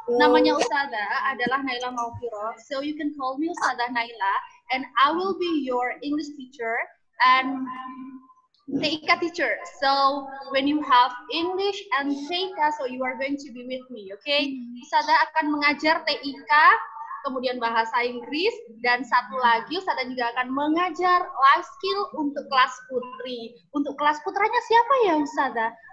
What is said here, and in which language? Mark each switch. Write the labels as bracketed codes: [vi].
[id] Namanya Ustazah adalah Naila Maufiro. [en] So you can call me Ustazah Naila, and I will be your English teacher and Teika teacher. So when you have English and Teika, so you are going to be with me, okay? [id] Ustazah akan mengajar Teika, kemudian bahasa Inggris, dan satu lagi Ustazah juga akan mengajar life skill untuk kelas putri. Untuk kelas putranya siapa ya Ustazah?